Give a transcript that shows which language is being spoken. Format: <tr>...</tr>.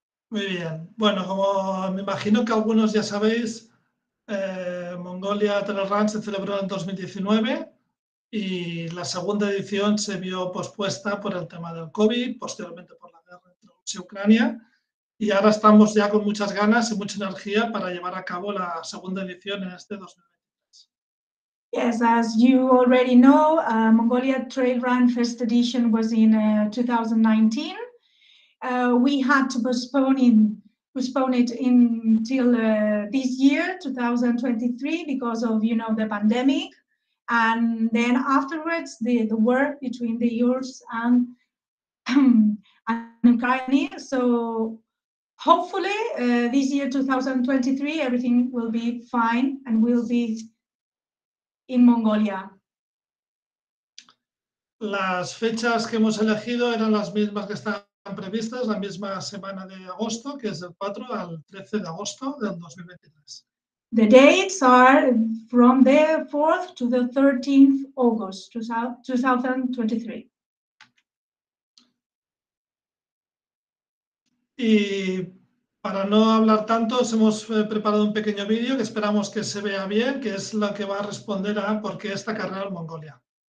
<es>Muy bien, bueno, como me imagino que algunos ya sabéis, Mongolia Trail Run se celebró en 2019 y la segunda edición se vio pospuesta por el tema del COVID, posteriormente por la guerra entre Rusia y Ucrania. Y ahora estamos ya con muchas ganas y mucha energía para llevar a cabo la segunda edición en este 2020.</es> <en>Yes, as you already know, Mongolia Trail Run first edition was in 2019. We had to postpone it until this year, 2023, because of the pandemic. And then afterwards, the war between the US and Ukraine. So hopefully, this year, 2023, everything will be fine and will be in Mongolia.</en> <es>Las fechas que hemos elegido eran las mismas que están previstas, la misma semana de agosto, que es del 4 al 13 de agosto del 2023.</es> <en>The dates are from the 4th to the 13th August 2023.</en> <es>Y para no hablar tanto, os hemos preparado un pequeño vídeo que esperamos que se vea bien, que es lo que va a responder a por qué esta carrera en Mongolia.</es>